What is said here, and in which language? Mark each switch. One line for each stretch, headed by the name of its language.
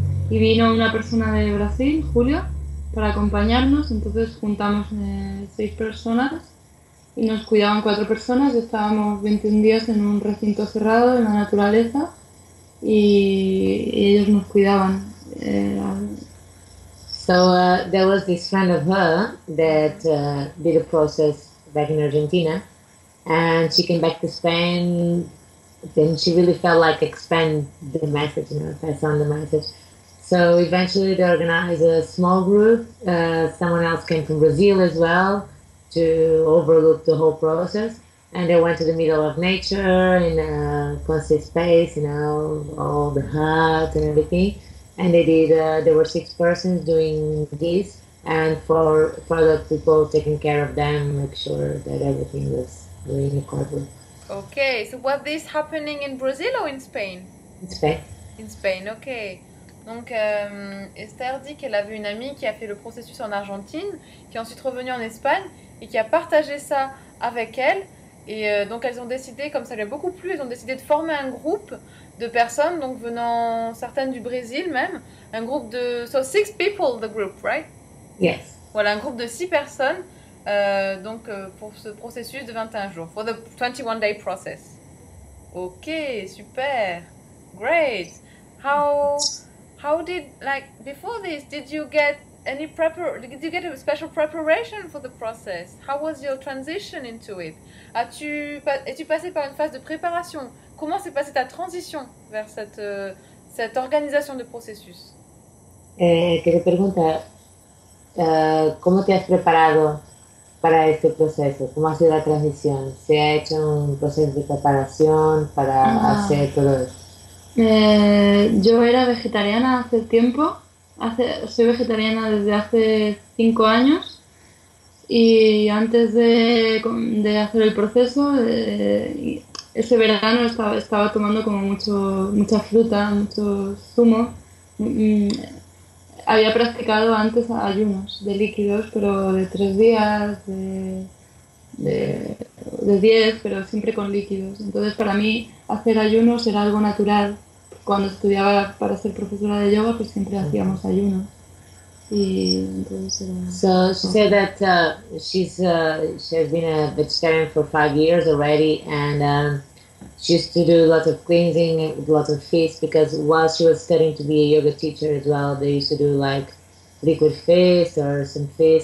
Spanish: y vino una persona de Brasil, Julio, para acompañarnos, entonces juntamos 6 personas y nos cuidaban 4 personas, estábamos 21 días en un recinto cerrado en la naturaleza y ellos nos cuidaban.
English: So there was this friend of her that did a process back in Argentina and she came back to Spain then she really felt like expand the message, you know, pass on the message. So eventually they organized a small group. Someone else came from Brazil as well to overlook the whole process. And they went to the middle of nature in a cozy space, you know, all the huts and everything. And they did, there were six persons doing this, and for the people taking care of them, make sure that everything was really covered. Okay, so was this happening in Brazil or in Spain? In Spain. In Spain, okay.
French: Donc Esther dit qu'elle avait une amie qui a fait le processus en Argentine, qui est ensuite revenue en Espagne et qui a partagé ça avec elle. Et donc elles ont décidé, comme ça lui a beaucoup plu, elles ont décidé de former un groupe de personnes, donc venant certaines du Brésil même, un groupe de...
English: So six people the group, right? Yes.
French: Voilà, un groupe de six personnes, donc pour ce processus de 21 jours,
English: for the 21 day process. Ok, super, great. How did, like, before this, did you get any prepare? Did you get a special preparation for the process? How was your transition into it?
French: Es-tu passé par une phase de préparation? Comment s'est passée ta transition vers cette organisation de processus?
Spanish: Quelle pregunta? ¿Cómo te has preparado para este proceso? ¿Cómo ha sido la transición? ¿Se ha hecho un proceso de preparación para hacer todo esto? Yo era vegetariana hace tiempo, soy vegetariana desde hace 5 años y antes de hacer el proceso, ese verano estaba tomando como mucha fruta, mucho zumo. Había practicado antes ayunos de líquidos, pero de 3 días, de 10, pero siempre con líquidos. Entonces para mí hacer ayunos era algo natural. Cuando estudiaba para ser profesora de yoga, pues siempre hacíamos ayunos. Y entonces era...
English: So she said that she's been a vegetarian for 5 years already, and she used to do lots of cleansing, lots of fish, because while she was studying to be a yoga teacher as well, they used to do like liquid fish or some fish.